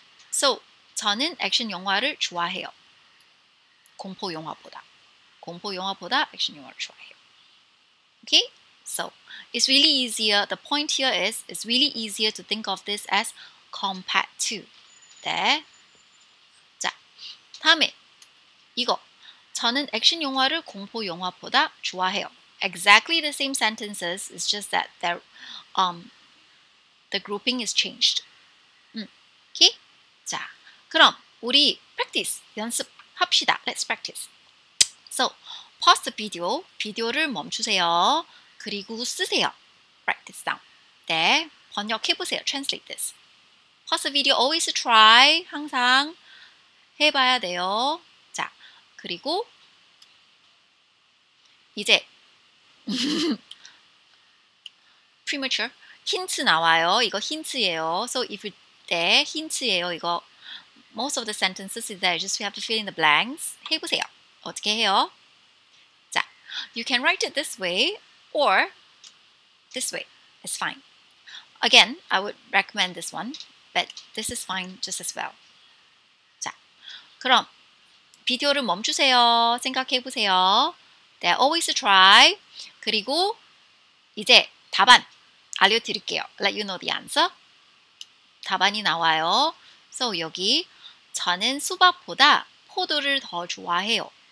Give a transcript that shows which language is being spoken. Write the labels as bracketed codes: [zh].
[ko] So, 저는 action 영화를 좋아해요. 공포 영화보다. 공포 영화보다 action 영화를 좋아해요. Okay? [en] So, it's really easier. The point here is, it's really easier to think of this as compared to. [ko] 네. 자, 다음에 이거. 저는 액션 영화를 공포 영화보다 좋아해요. [en] Exactly the same sentences. It's just that the grouping is changed. Okay? [ko] 자, 그럼 우리 practice, 연습합시다. [en] Let's practice. So, pause the video. [ko] 비디오를 멈추세요. 그리고 쓰세요. [en] Write this down. [ko] 네, 번역해보세요. [en] Translate this. Pause the video. Always try. [ko] 항상 해봐야 돼요. 자, 그리고 이제 premature. 힌트 나와요. 이거 힌트예요. [en] So if you, [ko] 네, 힌트예요. [en] 이거 most of the sentences is there. Just we have to fill in the blanks. [ko] 해보세요. 어떻게 해요? 자, [en] you can write it this way. Or this way is fine. Again, I would recommend this one, but this is fine just as well. [ko] 자, 그럼 비디오를 멈추세요. 생각해보세요. 네, [en] always try. [ko] 그리고 이제 답안 알려드릴게요. [en] Let you know the answer. [ko] 답안이 나와요. So 여기 저는 수박보다 포도를 더 좋아해요.